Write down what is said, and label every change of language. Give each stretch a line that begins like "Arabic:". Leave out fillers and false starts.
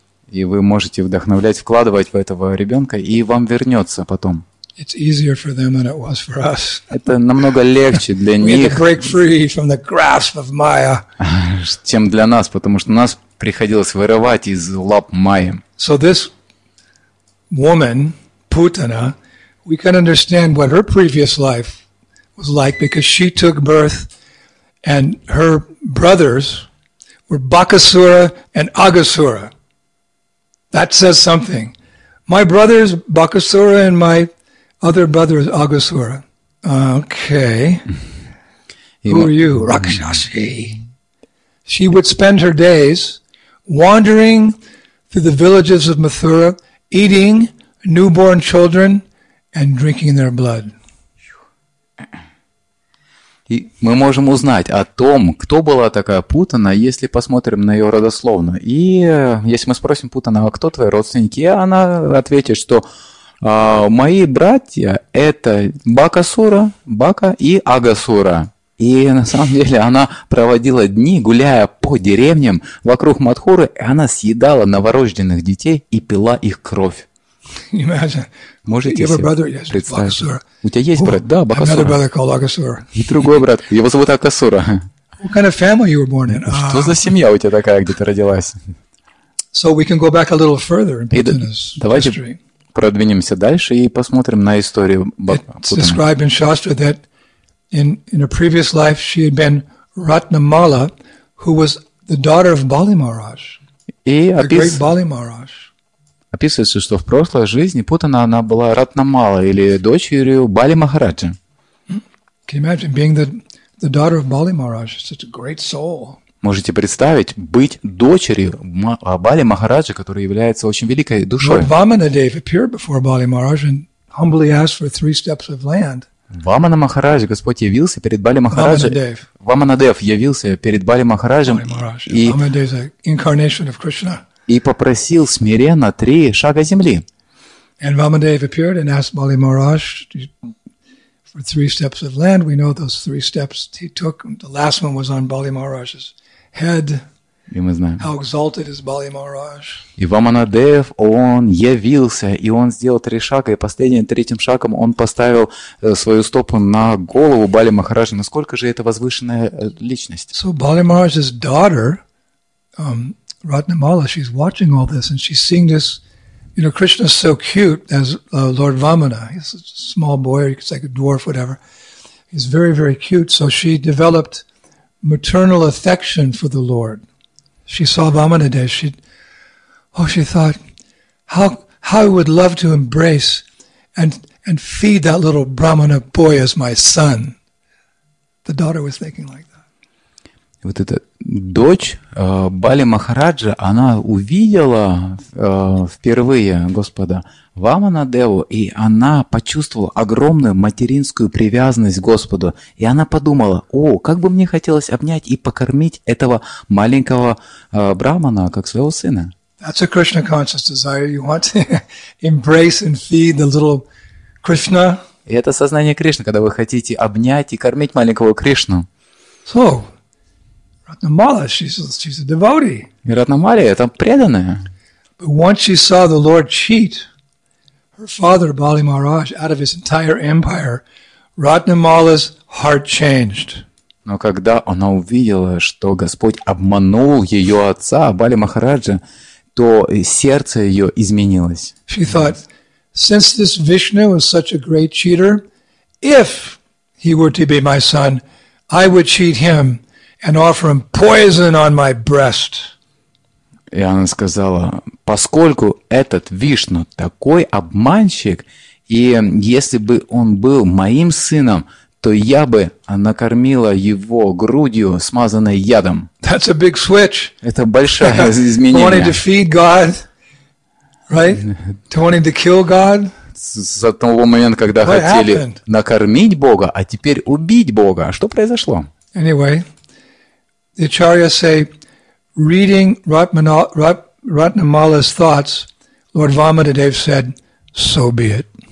Russian: И вы можете вдохновлять, вкладывать в этого ребенка, и вам вернется потом.
English: It's easier for them than it was for us.
Russian: Это намного легче для них.
English: We had to break free from the grasp of Maya.
Russian: Чем для нас, потому что нас приходилось вырывать из лап Майи.
English: So this woman, Putana, we can understand what her previous life was like because she took birth and her brothers were Bakasura and Agasura. That says something. My brothers Bakasura and my other brother is Agasura. Okay. Who are you? Rakshasi. She would spend her days wandering through the villages of Mathura, eating newborn children and drinking their blood.
Russian: И мы можем узнать о том, кто была такая Путана, если посмотрим на ее родословную. И если мы спросим Путана, а кто твои родственники, она ответит, что мои братья – это Бакасура, Бака и Агасура. И на самом деле она проводила дни, гуляя по деревням вокруг Матхуры, и она съедала новорожденных детей и пила их кровь.
English: Imagine.
Russian: Можете себе
English: brother,
Russian: представить?
English: Yes, Bakasura.
Russian: У тебя есть брат? Да, Бакасура.
English: Another brother called Agasura.
Russian: И другой брат. Его зовут Агасура.
English: What kind of family you were born in?
Russian: Что за семья у тебя такая, где ты родилась?
English: So we can go back a little further in Putana's history.
Russian: Продвинемся дальше и посмотрим на историю Бакасуры.
English: It's described in Shastra that in a previous life she had been Ratnamala, who was the daughter of Bali Maharaj, great Bali Maharaj.
Russian: Описывается, что в прошлой жизни Путана она была Ратнамала или дочерью Бали Махараджа.
English: Can you imagine being the daughter of Bali Maharaj? Such a great soul.
Russian: Можете представить, быть дочерью Бали Махараджа, который является очень великой душой.
English: Vamanadeva appeared before Bali Maharaj and humbly asked for 3 steps of land.
Russian: Вамана Махарадж, Господь явился перед Бали Махараджа. Vamanadev явился перед Бали Махараджем.
English: Vamanadev is an incarnation of Krishna.
Russian: И попросил смиренно 3 шага земли.
English: And Vamanadev appeared and asked Bali Maharaj for 3 steps of land. We know those 3 steps he took. The last one was on Bali Maharaj's head.
Russian: И мы знаем.
English: How exalted is Bali Maharaj.
Russian: И Vamanadev, он явился, и он сделал 3 шага, и последним, 3-м шагом он поставил свою стопу на голову Бали Махараджа. Насколько же это возвышенная личность?
English: So Bali Maharaj's daughter, Ratnamala, she's watching all this, and she's seeing this. You know, Krishna is so cute as Lord Vamana. He's a small boy, or you could say a dwarf, whatever. He's very, very cute. So she developed maternal affection for the Lord. She saw Vamanadeva. She thought, how I would love to embrace and feed that little Brahmana boy as my son. The daughter was thinking like that.
Russian: Вот эта дочь Бали Махараджа, она увидела впервые Господа Ваманадеву, и она почувствовала огромную материнскую привязанность к Господу. И она подумала, о, как бы мне хотелось обнять и покормить этого маленького Брахмана, как своего сына.
English: That's a Krishna conscious desire. You want to embrace and feed the little Krishna.
Russian: И это сознание Кришны, когда вы хотите обнять и кормить маленького Кришну.
English: So, Ratnamala, she's a devotee.
Russian: И Ратнамали, это преданная.
English: But once she saw the Lord cheat her father Bali Maharaj out of his entire empire, Ratnamala's heart changed.
Russian: Но когда она увидела, что Господь обманул ее отца Бали Махараджа, то сердце ее изменилось.
English: She thought, since this Vishnu was such a great cheater, if he were to be my son, I would cheat him and offer him poison on my breast.
Russian: И она сказала, поскольку этот Вишну такой обманщик, и если бы он был моим сыном, то я бы накормила его грудью, смазанной ядом.
English: That's a big switch.
Russian: Это большое изменение.
English: Wanting to feed God, right? Wanting to kill God.
Russian: с того момента, когда хотели накормить Бога, а теперь убить Бога. Что произошло?
English: Anyway, the Acharya say, reading Ratnamala's thoughts, Lord Vamadev said, so be it.